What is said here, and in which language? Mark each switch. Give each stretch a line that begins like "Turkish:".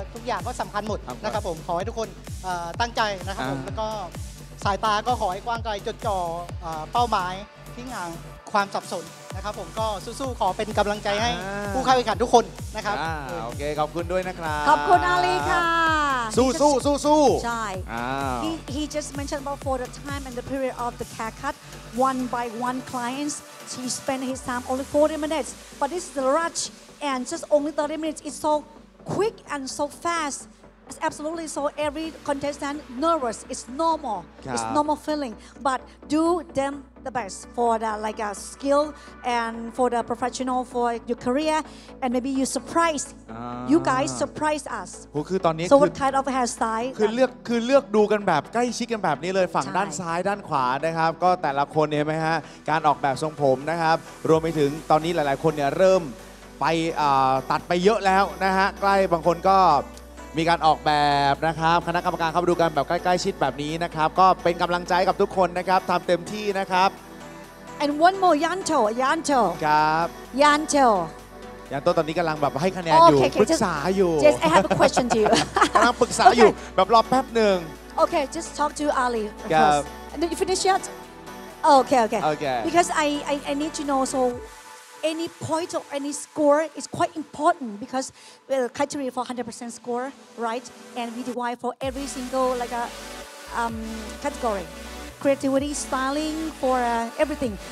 Thai: ทุกอย่างก็สำคัญหมดนะครับผมขอให้ทุกคนตั้งใจนะครับผมแล้วก็สายตาก็ขอให้กว้างไกลจดจ่อเป้าหมายทิ้งห่างความสับสนนะครับผมก็สู้ๆขอเป็นกำลังใจให้ผู้เข้าแข่งขันทุกคนนะครับ โอเคขอบคุณด้วยนะครับ ขอบคุณอาลีค่ะ สู้
English: ใช่ he just mentioned about for the time and the period of the haircut one by one clients he spent his time only 40 minutes but this is the rush and just only 30 minutes is so quick and so fast it's absolutely so every contestant nervous it's normal feeling but do them the best for the like a skill and for the professional for your career and maybe you surprise you guys surprise us
Thai: คือตอนนี้
English: คือ what kind of hairstyle
Thai: คือเลือกดูกันแบบใกล้ชิดกันแบบนี้เลยฝั่งด้านซ้ายด้านขวานะครับก็แต่ละคนเห็นมั้ยฮะการออกแบบทรงผมนะครับรวมไปถึงตอนนี้หลายๆคนเนี่ยเริ่มไปตัดไปเยอะแล้วนะฮะใกล้บางคนก็มีการออกแบบนะครับคณะกรรมการเข้าไปดูกันแบบใกล้ๆชิดแบบนี้นะครับก็เป็นกำลังใจกับทุกคนนะครับทำเต็มที่นะครับ
English: and one more Yancho
Thai: ครับ
English: Yancho
Thai: Yancho ตอนนี้กำลังแบบให้คะแนนอยู่ปรึกษาอยู่
English: just I have a question to you
Thai: กำลังปรึกษาอยู่แบบรอแป๊บหนึ่ง
English: okay just talk to Ali
Thai: ครับ
English: and you finish yet okay because I need to know soAny point or any score is quite important because well, criteria for 100% score, right? And we divide for every single like a category, creativity, styling for everything.